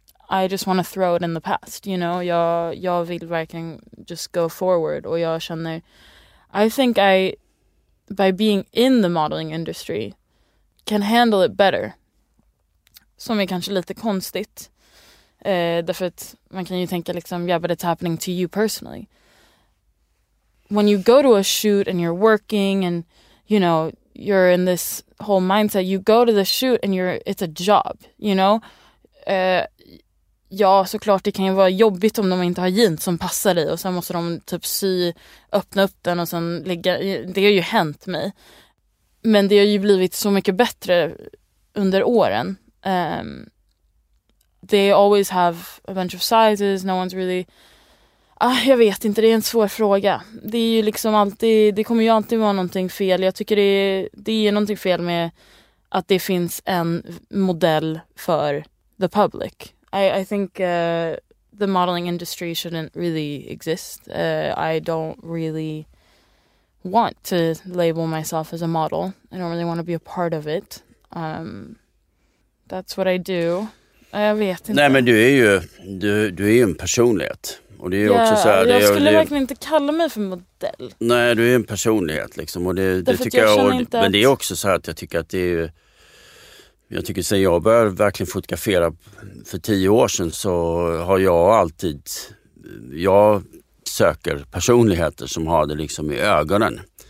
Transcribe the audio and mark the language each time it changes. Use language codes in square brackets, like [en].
[en] I just want to throw it in the past, you know? [sv] Jag vill verkligen [en] just go forward. [sv] Och jag känner... [en] I think I... By being in the modeling industry... Can handle it better. [sv] Som är kanske lite konstigt. Därför att man kan ju tänka liksom, [en] yeah, but it's happening to you personally. When you go to a shoot and you're working and, you know, you're in this whole mindset, you go to the shoot and it's a job, you know? [sv] Ja, såklart, det kan ju vara jobbigt om de inte har jeans som passar dig och sen måste de typ sy, öppna upp den och sen lägga, det har ju hänt mig. Men det har ju blivit så mycket bättre under åren. [en] They always have a bunch of sizes, no one's really... [sv] jag vet inte, det är en svår fråga. Det är ju liksom alltid, det kommer ju alltid vara någonting fel. Jag tycker det är någonting fel med att det finns en modell för [en] the public. I think the modeling industry shouldn't really exist. I don't really want to label myself as a model. I don't really want to be a part of it. That's what I do. [sv] Jag vet inte. Nej, men du är ju en personlighet. Och det är ju också så här, jag skulle verkligen inte kalla mig för modell. Nej, du är en personlighet liksom, och det tycker jag och, att... men det är också så här att jag tycker att det är ju, jag tycker sen jag började verkligen fotografera för 10 år sedan, så har jag alltid, jag söker personligheter som har det liksom i ögonen.